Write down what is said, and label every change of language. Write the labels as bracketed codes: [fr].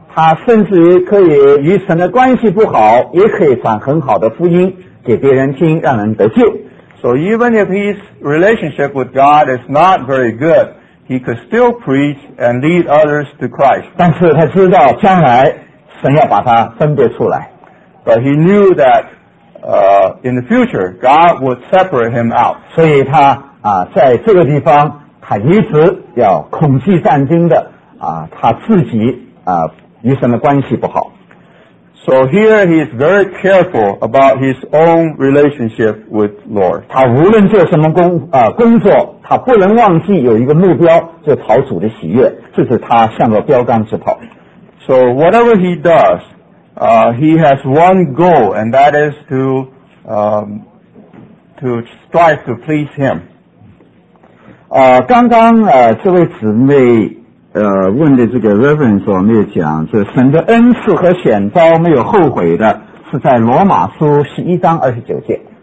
[zh] 他甚至可以与神的关系不好，也可以传很好的福音给别人听，让人得救。 [en] So even if his relationship with God is not very good, he could still preach and lead others to Christ. [zh] 但是他知道将来神要把它分别出来。 [en] But he knew that, in the future, God would separate him out. [zh] 所以他啊在这个地方他一直要恐惧战惊的啊他自己啊与神的关系不好。 [en] So here he is very careful about his own relationship with Lord. [zh] 他无论做什么工作他不能忘记有一个目标就讨主的喜悦这是他向着标杆直跑。 [en] So whatever he does, he has one goal, and that is to strive to please him. [zh] 刚刚这位姊妹问的这个 reference 我没有讲，就神的恩赐和选召没有后悔的，是在罗马书11章29节。